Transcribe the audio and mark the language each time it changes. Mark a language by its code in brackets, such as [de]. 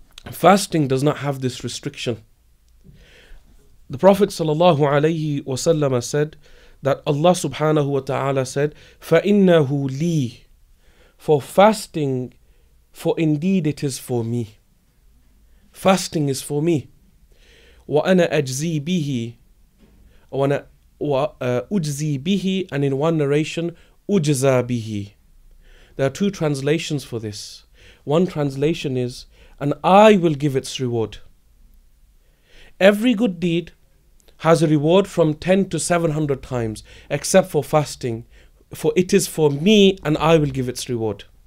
[en] Fasting does not have this restriction. The Prophet sallallahu alayhi wa sallam said that Allah subhanahu wa ta'ala said, [ar] فَإِنَّهُ لِي, [en] for fasting, for indeed it is for me. Fasting is for me. [ar] وَأَنَا أَجْزِي بِهِ وَأُجْزِي بِهِ, [en] and in one narration, [ar] أُجْزَى بِهِ. [en] There are two translations for this. One translation is, and I will give its reward. Every good deed has a reward from 10 to 700 times, except for fasting, for it is for me and I will give its reward.